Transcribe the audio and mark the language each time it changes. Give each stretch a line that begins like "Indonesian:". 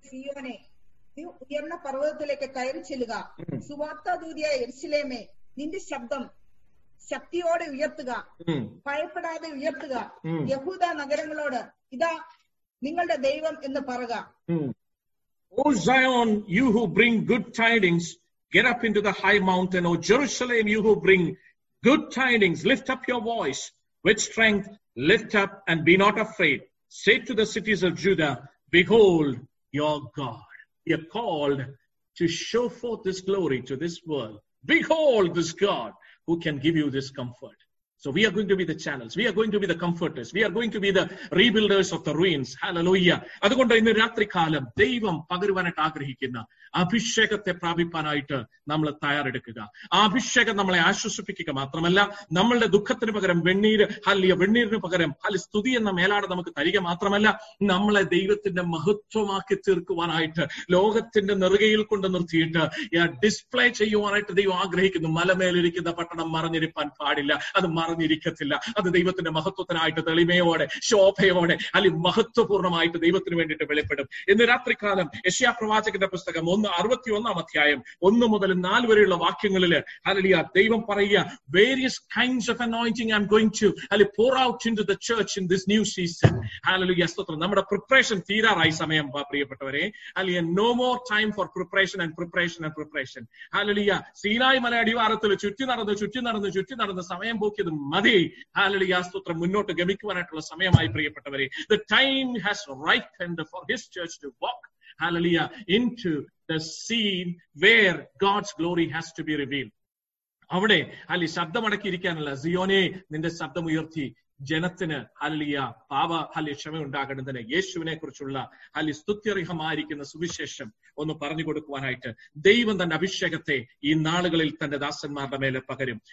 Malayalam: ഉയർന്ന പർവ്വതത്തിലേക്ക് കയറി ചെല്ലുക, സുവാർത്താദൂതിയായ യെരുശലേമേ നിന്റെ ശബ്ദം ശക്തിയോടെ ഉയർത്തുക, ഭയപ്പെടാതെ ഉയർത്തുക, യഹൂദ നഗരങ്ങളോട് ഇതാ നിങ്ങളുടെ ദൈവം എന്ന് പറയുക.
English: O Zion, you who bring good tidings, get up into the high mountain. O Jerusalem, you who bring good tidings, lift up your voice. with strength, lift up and be not afraid. Say to the cities of Judah, behold your God. You are called to show forth this glory to this world. Behold this God who can give you this comfort. So we are going to be the channels. We are going to be the comforters. We are going to be the rebuilders of the ruins. Hallelujah.
Malayalam: അതുകൊണ്ട് ഇന്ന് രാത്രി കാലം ദൈവം പകരുവാനായിട്ട് ആഗ്രഹിക്കുന്ന അഭിഷേകത്തെ പ്രാപിപ്പാനായിട്ട് നമ്മൾ തയ്യാറെടുക്കുക. ആ അഭിഷേകം നമ്മളെ ആശ്വസിപ്പിക്കുക മാത്രമല്ല, നമ്മളുടെ ദുഃഖത്തിന് പകരം വെണ്ണീര്, ഹല്ലിയ വെണ്ണീരിന് പകരം ഹല്ലി സ്തുതി എന്ന മേലാട നമുക്ക് തരിക മാത്രമല്ല, നമ്മളെ ദൈവത്തിന്റെ മഹത്വമാക്കി തീർക്കുവാനായിട്ട് ലോകത്തിന്റെ നെറുകയിൽ കൊണ്ട് നിർത്തിയിട്ട് ഡിസ്പ്ലേ ചെയ്യുവാനായിട്ട് ദൈവം ആഗ്രഹിക്കുന്നു. മലമേലിരിക്കുന്ന പട്ടണം മറിഞ്ഞിരിപ്പാൻ പാടില്ല, അത് മറിഞ്ഞിരിക്കത്തില്ല. അത് ദൈവത്തിന്റെ മഹത്വത്തിനായിട്ട് തെളിമയോടെ, ശോഭയോടെ, അല്ലെങ്കിൽ മഹത്വപൂർണ്ണമായിട്ട് ദൈവത്തിന് വേണ്ടിയിട്ട് വെളിപ്പെടും. ഇന്ന് രാത്രി കാലം യെശയ്യാ പ്രവാചകന്റെ പുസ്തകം 61 അധ്യായം 1-4 വരെയുള്ള വാക്യങ്ങളിൽ ഹല്ലേലൂയ ദൈവം പറയുക,
English: Various kinds of anointing I am going to pour out into the church in this new season.
Malayalam: Hallelujah സ്തോത്രം. നമ്മുടെ പ്രിപ്പറേഷൻ തീരാറായി സമയം പ്രിയപ്പെട്ടവരെ. അല്ലെ,
English: no more time for preparation and preparation
Malayalam: and preparation. Hallelujah. Sinai മല അടിവാരത്തിൽ ചുറ്റി നടന്ന് സമയം പോക്കിയത് മതി. ഹല്ലേലൂയ സ്തോത്രം. മുന്നോട്ട് ഗമിക്കുവാനായിട്ടുള്ള സമയമായി പ്രിയപ്പെട്ടവരെ.
English: The time has ripened for his church to walk, hallelujah, into the scene where God's glory has to be revealed.
Malayalam: അവിടെ ഹല്ലി ശബ്ദമടക്കിയിരിക്കാനല്ല, സിയോനെ നിന്റെ ശബ്ദം ഉയർത്തി ജനത്തിന് ഹല്ലിയ പാപ ഹല്ലി ക്ഷമ ഉണ്ടാകേണ്ടതിന് യേശുവിനെ കുറിച്ചുള്ള ഹല്ലി സ്തുത്യർഹമായിരിക്കുന്ന സുവിശേഷം ഒന്ന് പറഞ്ഞു കൊടുക്കുവാനായിട്ട് ദൈവം തന്റെ അഭിഷേകത്തെ ഈ നാളുകളിൽ തന്റെ ദാസന്മാരുടെ മേലെ പകരും.